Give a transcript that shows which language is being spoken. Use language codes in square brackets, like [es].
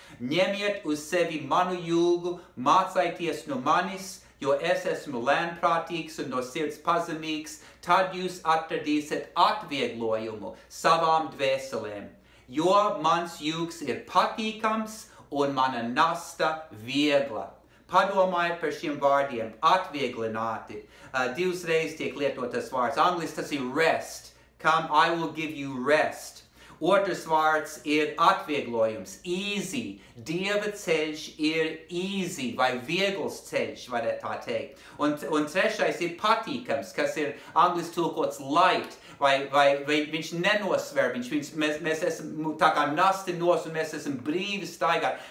[lv] Ņemiet uz sevi manu jūgu, mācaities no manis, jo es esmu lēnprātīgs un no sirds pazemīgs, tad jūs atradīsiet atvieglojumu savām dvēselēm. Jo mans jūgs ir patīkams un mana nasta viegla. Padomājiet par šiem vārdiem atvieglināti. Divreiz tiek lietotas vārds. Angliski tas ir rest. [en] Come, I will give you rest. [lv] Otrs vārds ir atvieglojums. Easy. Dieva ceļš ir easy vai viegls ceļš, varētu tā teikt. Un trešais ir patīkams, kas ir angliski tulkots light. Vai viņš nenosver, mēs esam tā kā nasti nos un mēs esam brīvi staigāt.